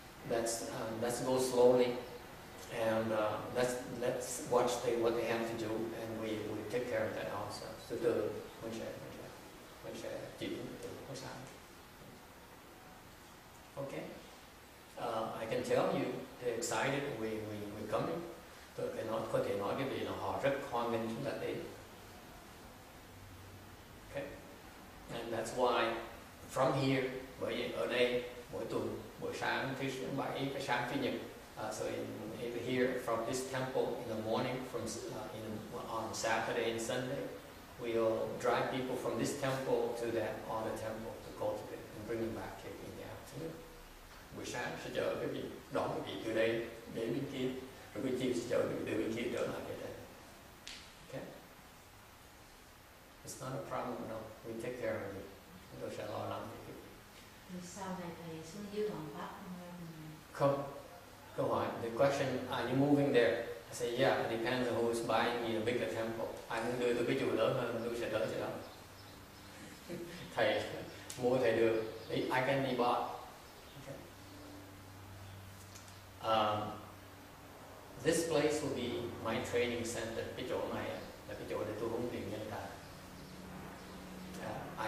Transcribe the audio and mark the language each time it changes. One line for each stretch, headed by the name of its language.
English: Let's go slowly, and let's watch what they have to do, and we take care of that ourselves.
Vietnamese: Từ từ mình sẽ chỉ từ từ sao.
English: Okay, I can tell you. They're excited we're coming.
Vietnamese: Tôi phải nói, có thể nói cái gì là họ rất hoan nghênh chúng ta đến.
English: Okay. And that's why from here,
Vietnamese: bởi vì ở đây mỗi tuần, buổi sáng thứ bảy và sáng thứ nhật.
English: So in here from this temple in the morning, from on Saturday and Sunday, we'll drive people from this temple to that other temple to cultivate and bring them back here in the afternoon.
Vietnamese: Buổi sáng sẽ chở cái gì đón cái gì từ đây đến bên kia, rồi buổi chiều sẽ chở cái gì từ bên kia trở lại cái đây.
English: Okay, it's not a problem at all. We take care of it.
Vietnamese: Chúng tôi sẽ lo lắng cho quý vị. Sau này thầy xuống dưới đoàn Bắc không? Câu hỏi,
English: the question, are you moving there? I say, yeah, it depends on who is buying in a bigger temple.
Vietnamese: Ai muốn đưa tôi cái chùa lớn hơn, tôi sẽ đợi chỗ đó. Thầy mua thầy được,
English: I can be bought. This place will be my training center.
Vietnamese: Cái chỗ này là cái chỗ để tôi huấn luyện nhân tài.